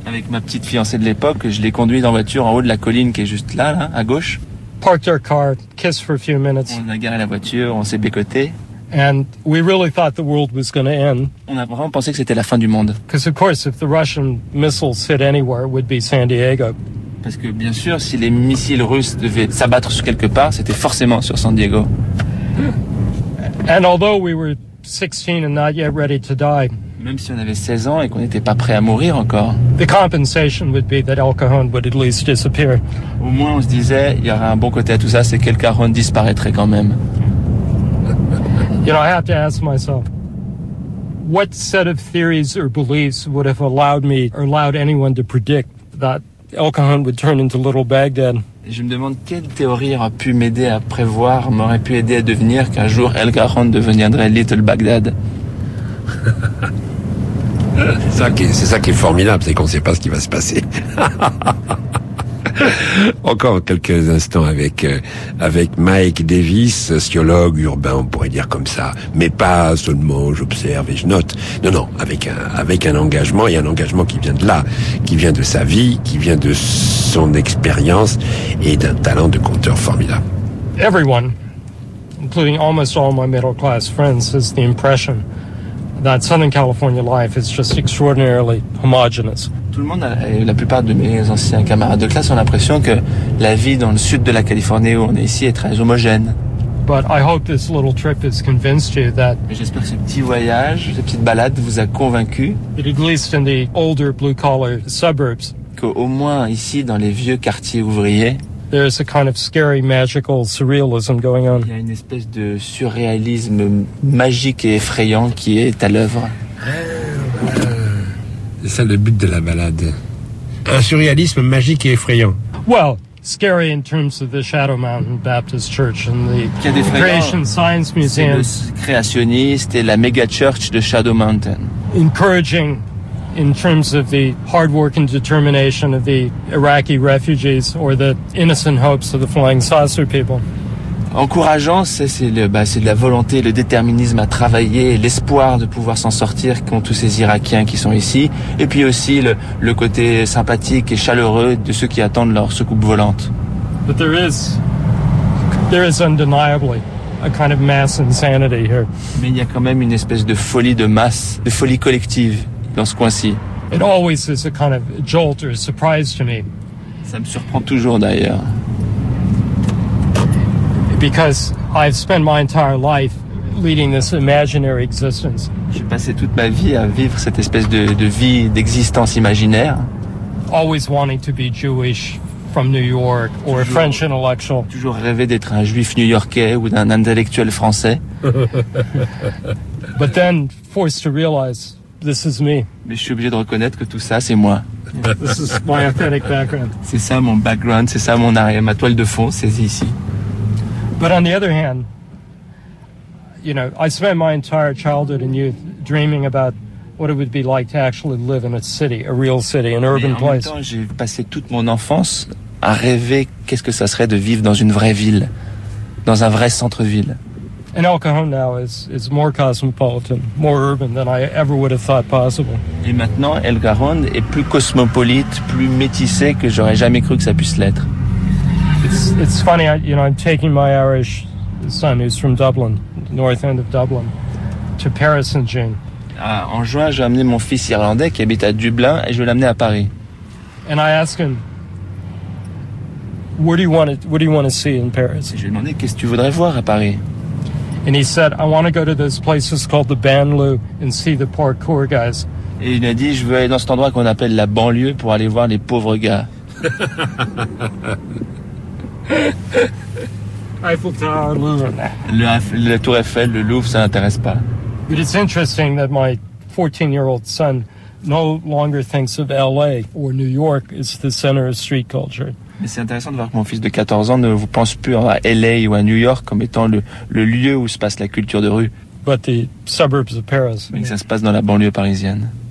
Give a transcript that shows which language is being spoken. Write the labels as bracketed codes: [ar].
[fr] Avec ma petite fiancée de l'époque, je l'ai conduite en voiture en haut de la colline qui est juste là, là à gauche. [en] Parked our car, kissed for a few minutes. [fr] On a garé la voiture, on s'est bécoté. [en] And we really thought the world was going to end. [fr] On a vraiment pensé que c'était la fin du monde. [en] Because of course, if the Russian missiles hit anywhere, it would be San Diego. [fr] Parce que bien sûr, si les missiles russes devaient s'abattre sur quelque part, c'était forcément sur San Diego. [en] And although we were 16 and not yet ready to die, [fr] même si on avait 16 ans et qu'on n'était pas prêt à mourir encore, [en] the compensation would be that El Cajon would at least disappear. [fr] Au moins on se disait, il y aura un bon côté à tout ça, c'est que El Cajon disparaîtrait quand même. [en] You know, I have to ask myself, what set of theories or beliefs would have allowed me or allowed anyone to predict that El Cajon would turn into Little Baghdad? [fr] Et je me demande quelle théorie aurait pu m'aider à prévoir, m'aurait pu aider à devenir qu'un jour El Cajon deviendrait Little Baghdad. c'est ça qui est formidable, c'est qu'on ne sait pas ce qui va se passer. Encore quelques instants avec Mike Davis, sociologue urbain, on pourrait dire comme ça, mais pas seulement j'observe et je note. Non, avec un engagement, et un engagement qui vient de là, qui vient de sa vie, qui vient de son expérience et d'un talent de conteur formidable. [en] Everyone, including almost all my middle class friends, has the impression that Southern California life is just extraordinarily homogeneous. [fr] Tout le monde, et la plupart de mes anciens camarades de classe, ont l'impression que la vie dans le sud de la Californie où on est ici est très homogène. [en] But I hope this little trip has convinced you that. [fr] Mais j'espère que ce petit voyage, cette petite balade, vous a convaincu. [en] At least in the older blue-collar suburbs. [fr] Qu'au moins ici, dans les vieux quartiers ouvriers. [en] There is a kind of scary, magical surrealism going on. [fr] Il y a une espèce de surréalisme magique et effrayant qui est à l'œuvre. C'est ça le but de la balade. Un surréalisme magique et effrayant. [en] Well, scary in terms of the Shadow Mountain Baptist Church and the Creation Science Museum. [fr] C'est le créationniste et la méga church de Shadow Mountain. [en] Encouraging in terms of the hard work and determination of the Iraqi refugees or the innocent hopes of the Flying Saucer people. [fr] Encourageant, c'est de la volonté, le déterminisme à travailler, l'espoir de pouvoir s'en sortir qu'ont tous ces Irakiens qui sont ici, et puis aussi le côté sympathique et chaleureux de ceux qui attendent leur soucoupe volante. [en] But there is undeniably a kind of mass insanity here. [fr] Mais il y a quand même une espèce de folie de masse, de folie collective dans ce coin-ci. [en] It always is a kind of jolt or a surprise to me. [fr] Ça me surprend toujours d'ailleurs. [en] Because I've spent my entire life leading this imaginary existence. [fr] J'ai passé toute ma vie à vivre cette espèce de vie d'existence imaginaire. [en] Always wanting to be Jewish from New York or [fr] toujours, [en] a French intellectual. [fr] Toujours rêvé d'être un juif new-yorkais ou d'un intellectuel français. [en] But then forced to realize this is me. [fr] Mais je suis obligé de reconnaître que tout ça c'est moi. [en] This is my authentic background. [fr] C'est ça mon background, c'est ça mon arrière, ma toile de fond, c'est ici. [en] But on the other hand, you know, I spent my entire childhood and youth dreaming about what it would be like to actually live in a city, a real city, an urban place. [fr] Mais en même temps, j'ai passé toute mon enfance à rêver qu'est-ce que ça serait de vivre dans une vraie ville, dans un vrai centre-ville. [en] And El Cajon now is more cosmopolitan, more urban than I ever would have thought possible. [fr] Et maintenant, El Cajon est plus cosmopolite, plus métissé que j'aurais jamais cru que ça puisse l'être. [en] It's funny, I'm taking my Irish son, who's from Dublin, north end of Dublin, to Paris in June. [fr] Ah, en juin, j'ai amené mon fils irlandais qui habite à Dublin et je vais l'amener à Paris. [en] And I ask him, what do you want to see in Paris? [fr] Et je lui ai demandé, qu'est-ce que tu voudrais voir à Paris? [en] And he said, I want to go to those places called the Banlieue and see the parkour guys. [fr] Et il a dit, je veux aller dans cet endroit qu'on appelle la banlieue pour aller voir les pauvres gars. [en] Eiffel Tower, Louvre. [fr] La Tour Eiffel, le Louvre, ça n'intéresse pas. [en] But it's interesting that my 14-year-old son no longer thinks of LA or New York as the center of street culture. [fr] Mais c'est intéressant de voir que mon fils de 14 ans ne vous pense plus à LA ou à New York comme étant le lieu où se passe la culture de rue. [en] But the suburbs of Paris. [fr] Mais que ça se passe dans la banlieue parisienne.